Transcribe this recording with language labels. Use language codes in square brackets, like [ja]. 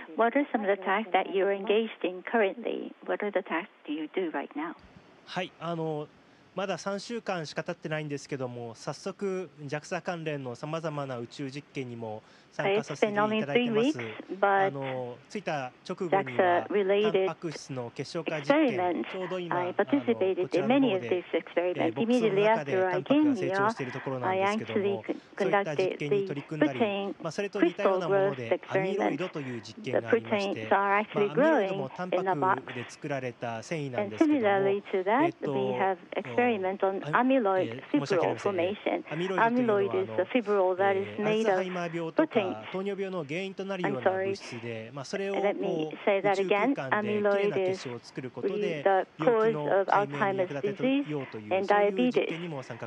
[en] What are some of the tasks that you're engaged in currently? What are the tasks do you do right now? [ja] はい、まだ3週間しか経ってないんですけども、早速 JAXA 関連のさまざまな宇宙実験にも参加させていただいてます。着いた直後にはタンパク質の結晶化実験、ちょうど今こちらの方で、ボックスの中でタンパクが成長しているところなんですけども、そういった実験に取り組んだり、それと似たようなものでアミロイドという実験がありまして、アミロイドもタンパクで作られた繊維なんですけども、 [en] Experiment on amyloid fibril formation. Amyloid is a fibril that is made of protein. Amyloid is the cause of Alzheimer's disease and diabetes.